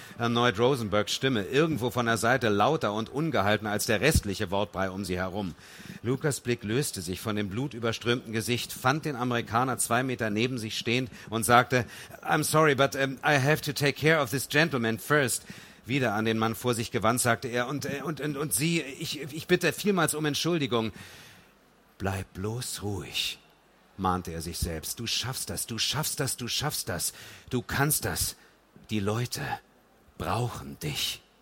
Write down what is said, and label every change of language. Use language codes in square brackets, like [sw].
[de] Erneut Rosenbergs Stimme, irgendwo von der Seite lauter und ungehalten als der restliche Wortbrei um sie herum. Lukas' Blick löste sich von dem blutüberströmten Gesicht, fand den Amerikaner 2 Meter neben sich stehend und sagte, [en] I'm sorry, but I have to take care of this gentleman first. [de] Wieder an den Mann vor sich gewandt, sagte er, und Sie, ich bitte vielmals um Entschuldigung. Bleib bloß ruhig, mahnte er sich selbst. Du schaffst das, du schaffst das, du schaffst das. Du kannst das. Die Leute brauchen dich.